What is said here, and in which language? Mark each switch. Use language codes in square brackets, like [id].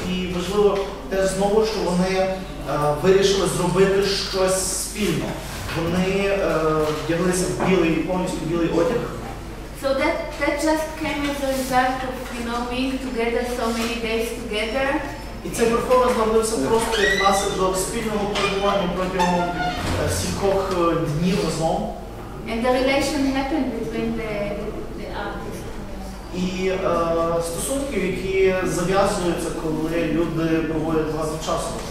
[uk] І важливо те знову, що вони вирішили зробити щось спільно. Вони вдяглися в білий, повністю білий одяг. [en] So that just came as a result of, you know, being together so many days together. [uk] І цей перформанс зробився просто як наслідок спільного перебування протягом кількох днів разом. [en] And the relation happened between the artists. [uk] І стосунки, які зав'язуються, коли люди проводять багато часу.